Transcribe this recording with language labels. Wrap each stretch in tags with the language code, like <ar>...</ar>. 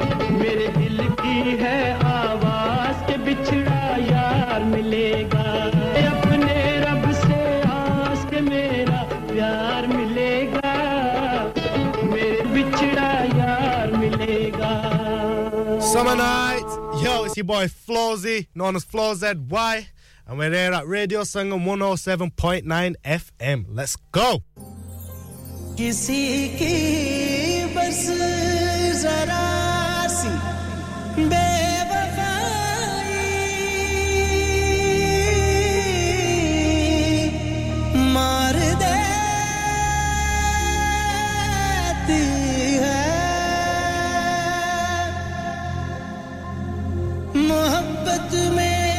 <hi>मेरे दिल की है आवाज के बिछड़ा यार मिलेगा अपने रब से आस के मेरा प्यार मिलेगा मेरे बिछड़ा यार मिलेगा</hi> <en>Summer night, yo, it's your boy Flozy, known as FlozZY. And we're here at Radio Sangam 107.9 FM. Let's go!</en> <hi>किसी की बस जरा सी बेवफाई मार देती है मोहब्बत में</hi>